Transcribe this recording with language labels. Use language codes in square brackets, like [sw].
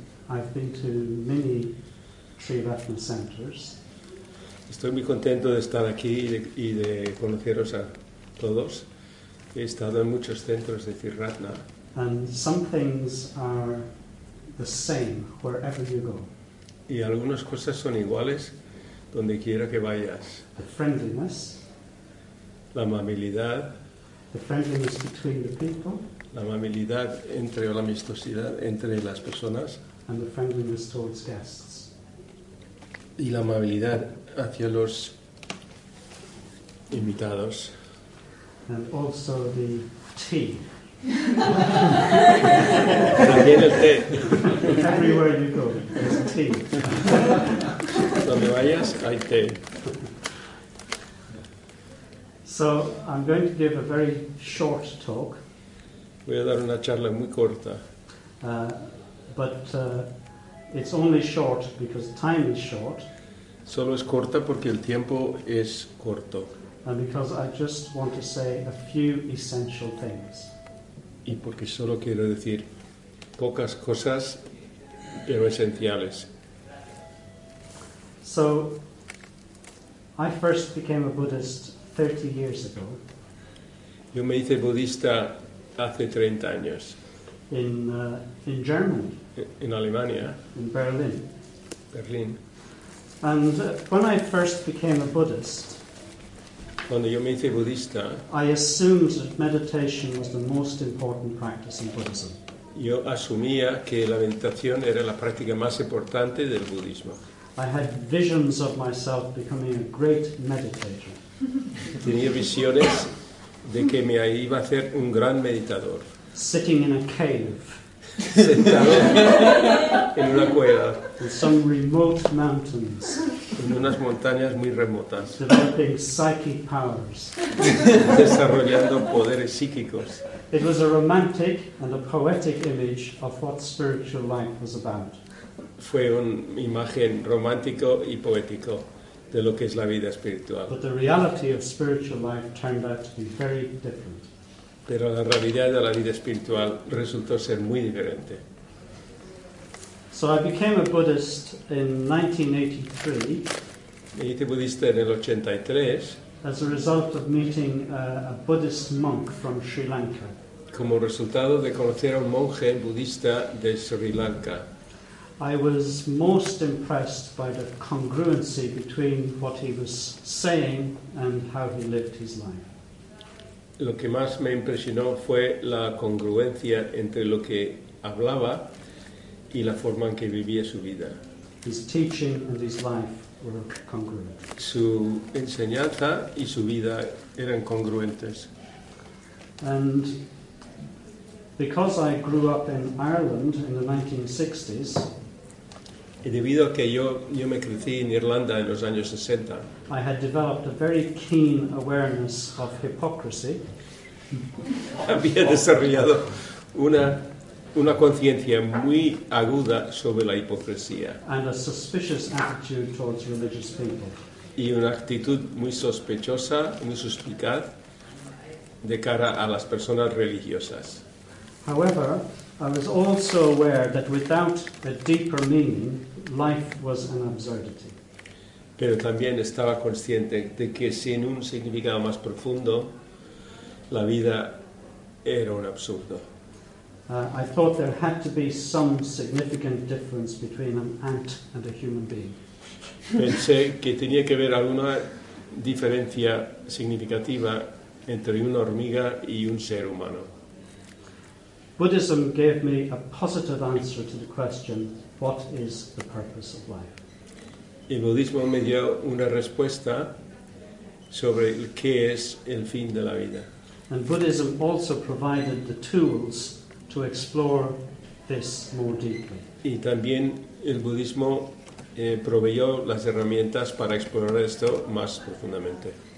[en] I've been to many Tree of Atma centers. [es] Estoy muy contento de estar aquí y de conoceros a todos. He estado en muchos centros de Tree of Atma. [en] And some things are the same wherever you go. [es] Y algunas cosas son iguales donde quiera que vayas. [en] The friendliness. [es] La amabilidad. [en] The friendliness between the people. [es] La amabilidad entre o la amistosidad entre las personas. [en] And the friendliness towards guests. [es] Y la amabilidad hacia los invitados. [en] And also the tea. [es] También el té. [en] Everywhere you go, there's tea. [es] Donde vayas, hay té. [en] So I'm going to give a very short talk. [es] Voy a dar una charla muy corta. [en] But it's only short because time is short. [es] Solo es corta porque el tiempo es corto. [en] And because I just want to say a few essential things. [es] Y porque solo quiero decir pocas cosas, pero esenciales. [en] So, I first became a Buddhist 30 years ago. [es] Yo me hice budista hace 30 años. [en] In Germany. [es] En Alemania. [en] In Berlin. [es] Berlín. [en] And when I first became a Buddhist, [es] cuando yo me hice budista, [en] I assumed that meditation was the most important practice in Buddhism. [es] Yo asumía que la meditación era la práctica más importante del budismo. [en] I had visions of myself becoming a great meditator. [es] Tenía visiones de que me iba a hacer un gran meditador. [en] Sitting in a cave. [es] Sentado en una cueva. [en] In some remote mountains. [es] En unas montañas muy remotas. [en] Developing psychic powers. [es] Desarrollando poderes psíquicos. [en] It was a romantic and a poetic image of what spiritual life was about. [es] Fue una imagen romántico y poético de lo que es la vida espiritual. [en] But the reality of spiritual life turned out to be very different. [es] Pero la realidad de la vida espiritual resultó ser muy diferente. [en] So I became a Buddhist in 1983. [es] Me hice budista en el 83. [en] As a result of meeting a Buddhist monk from Sri Lanka. [es] Como resultado de conocer a un monje budista de Sri Lanka. [en] I was most impressed by the congruency between what he was saying and how he lived his life. [es] Lo que más me impresionó fue la congruencia entre lo que hablaba y la forma en que vivía su vida. [en] His teaching and his life were congruent. [es] Su enseñanza y su vida eran congruentes. [en] And because I grew up in Ireland in the 1960s, [es] y debido a que yo me crecí en Irlanda en los años 60, [en] I had developed a very keen awareness of hypocrisy. [es] Había desarrollado una conciencia muy aguda sobre la hipocresía. [en] And a suspicious attitude towards religious people. [es] Y una actitud muy sospechosa, muy suspicaz, de cara a las personas religiosas. [en] However, I was also aware that without a deeper meaning, life was an absurdity. [es] Pero también estaba consciente de que sin un significado más profundo, la vida era un absurdo. [en] I thought there had to be some significant difference between an ant and a human being. [es] Pensé que tenía que haber alguna diferencia significativa entre una hormiga y un ser humano. [en] Buddhism gave me a positive answer to the question, what is the purpose of life? [es] El budismo me dio una respuesta sobre qué es el fin de la vida. [en] And Buddhism also provided the tools to explore this more deeply. [es] Y también el budismo proveyó las herramientas para explorar esto más profundamente.